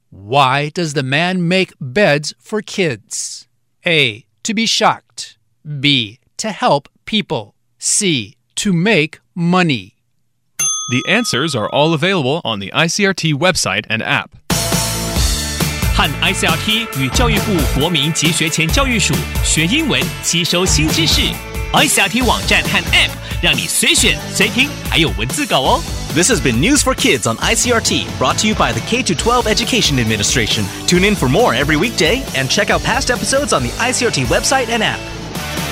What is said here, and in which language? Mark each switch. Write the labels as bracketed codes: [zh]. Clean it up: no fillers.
[en] Why does the man make beds for kids? A, to be shocked. B. To help people. C. To make money. The answers are all available on the ICRT website and app. [zh] 和 ICRT 与教育部国民及学前教育署学英文，吸收新知识。 ICRT 网站和 App 让你随选随听，还有文字稿哦。 [en] This has been News for Kids on ICRT, brought to you by the K-12 Education Administration. Tune in for more every weekday and check out past episodes on the ICRT website and app.